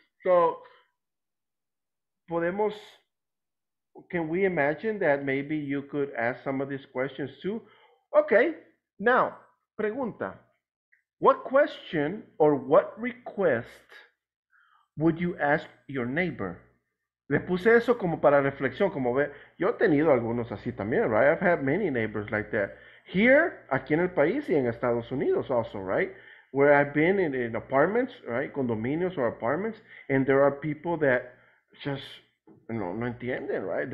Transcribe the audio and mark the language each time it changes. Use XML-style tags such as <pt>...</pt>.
<en>So, podemos, can we imagine that maybe you could ask some of these questions too? Okay, now, pregunta. What question or what request would you ask your neighbor?</en> <es>Le puse eso como para reflexión, como ve, yo he tenido algunos así también, right?</es> <en>I've had many neighbors like that. Here,</en> <es>aquí en el país y en Estados Unidos</es> <en>also, right? Where I've been in apartments, right? Condominios or apartments, and there are people that just,</en> <es>no entienden,</es> <en>right?</en>